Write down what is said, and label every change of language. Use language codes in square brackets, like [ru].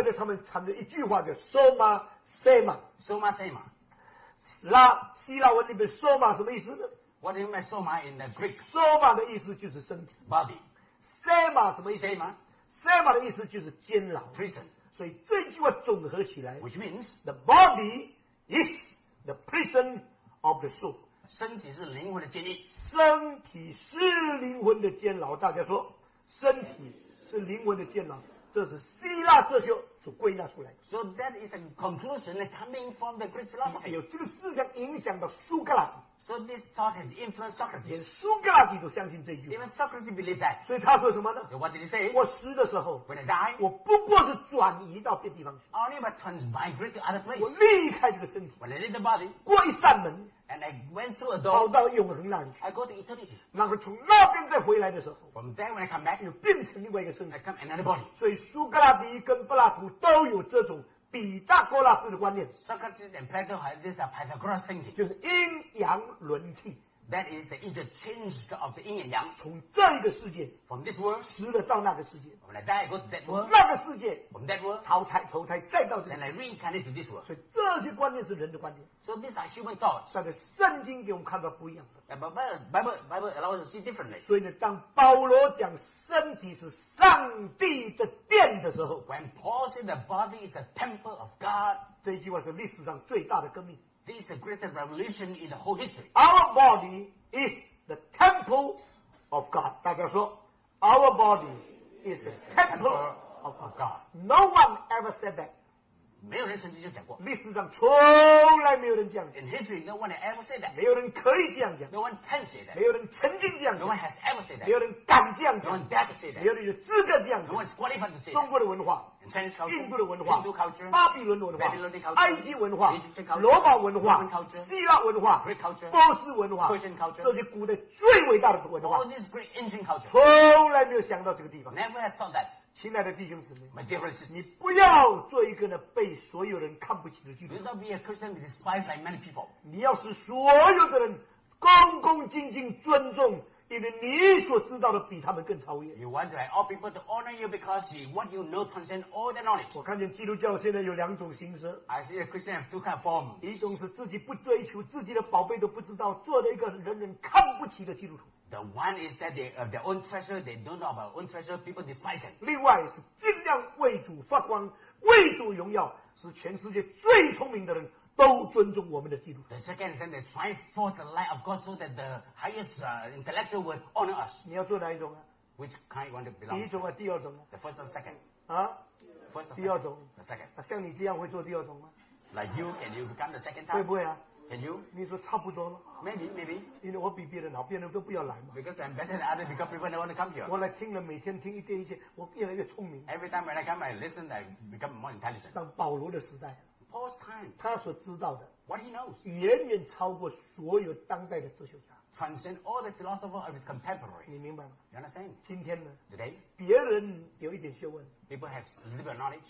[zh] 所以他们产生一句话叫 Soma Sema. Soma Sema. 希腊文里面 Soma 什么意思呢 [en] What do you mean by Soma in the Greek? [zh] Soma 的意思就是身体 [en] Body. [zh] Sema 什么意思 Sema. Sema 的意思就是监牢 [en] Prison. [zh] 所以这句话总合起来 [en] ，which means the body is the prison of the soul. [zh] 身体是灵魂的监狱。身体是灵魂的监牢。大家说，身体是灵魂的监牢，这是希腊哲学所归纳出来的。 [en] So that is a conclusion coming from the Greek philosophy. [zh] 有这个思想影响到苏格拉底。 [en] So this thought has influenced Socrates. [zh] 连苏格拉底都相信这句话。 [en] Even Socrates believed that. [zh] 所以他说什么呢 [en] ？What did he say? [zh] 我死的时候 [en] ，When I die, [zh] 我不过是转移到别地方去。 [en] Only by transmigrate to other place. [zh] 我离开这个身体。 [en] When I leave the body, [zh] 过一扇门 [en] ，And I went through a door. [zh] 跑到永恒那里去。 [en] I go to eternity. [zh] 然后从那边再回来的时候 [en] ，From there when I come back, [zh] 又变成另外一个身体。 [en] I come another body. [zh] 所以苏格拉底跟柏拉图都有这种。毗达哥拉斯的观念 [en] Socrates and Plato have this Pythagoras thinking [zh] 就是阴阳轮替 [en] That is the interchange of the yin and yang [zh] 从这个世界 [en] From this world [zh] 死了到那个世界 [en] When I die I go to that world [zh] 从那个世界 [en] From that world [zh] 投胎再到这个 [en] Then I reincarnate to this world [zh] 所以这些观念是人的观念 [en] So these are human thoughts [zh] 像个圣经给我们看到不一样 [en] Bible allows us to see differently [zh] 所以呢当保罗讲身体是上帝的殿的时候 [en] When Paul said the body is the temple of God [zh] 这句话是历史上最大的革命 [en] This is the greatest revolution in the whole history Our body is the temple of God [zh] 大家说 [en] Our body is the temple of God No one ever said that [zh] 没有人曾经就讲过历史上从来没有人这样讲 [en] In history no one ever said that [zh] 没有人可以这样讲 [en] No one can say that [zh] 没有人曾经这样讲 [en] No one has ever said that [zh] 没有人敢这样讲 [en] No one dare to say that [zh] 没有人有资格这样讲 [en] No one is qualified to say that [zh] 中国的文化 [en] Chinese culture [zh] 印度的文化 [en] Hindu culture [zh] 巴比伦文化 [en] Babylonian culture [zh] 埃及文化 [en] Egyptian culture [zh] 罗马文化 [en] Roman culture [zh] 希腊文化 [en] Greek culture [zh] 波斯文化 [en] Persian culture [zh] 这些古代最伟大的文化 [en] All these great ancient culture [zh] 从来没有想到这个地方 [en] Never had thought that [zh] 亲爱的弟兄姊妹 [en] My dear sister, [zh] 你不要做一个呢被所有人看不起的基督徒 [en] You don't be a Christian despised by many people [zh] 你要使所有的人恭恭敬敬尊重因为你所知道的比他们更超越 [en] You want to have all people to honor you because what you know transcends all their knowledge [zh] 我看见基督教现在有两种形式 [en] I see a Christian have two kind of form [zh] 一种是自己不追求自己的宝贝都不知道做了一个人人看不起的基督徒 [en] The one is that they have their own treasure, they don't know about own treasure, people despise them. [zh] 另外是尽量为主发光，为主荣耀，使全世界最聪明的人都尊重我们的基督。 [en] The second is that they strive for the light of God so that the highest intellectual would honor us. [zh] 你要做哪一种啊 [en] ？Which kind you want to belong? [zh] 第一种啊，第二种啊 [en] ？The first or second? 啊？First or [zh] 第二种 [en] ？The second. [zh] 那像你这样会做第二种吗 [en] ？Like you, can you become the second time? [zh] 会不会啊？ [en] Can you? [zh] 你说差不多了 [en] Maybe. [zh] 因为我比别人好，别人都不要来嘛。 [en] Because I'm better than others, because people don't want to come here. [zh] 我来听了，每天听一点一些，我越来越聪明。 [en] Every time when I come, I listen, I become more intelligent. [zh] 当保罗的时代 [en] ，Paul's time, [zh] 他所知道的 [en] ，What he knows, [zh] 远远超过所有当代的哲学家。 [en] transcend all the philosophers of his contemporary. [zh] 你明白吗？ [en] You understand? [zh] 今天呢？ [en] Today? [zh] 别人有一点学问。 [en] People have a little bit of knowledge.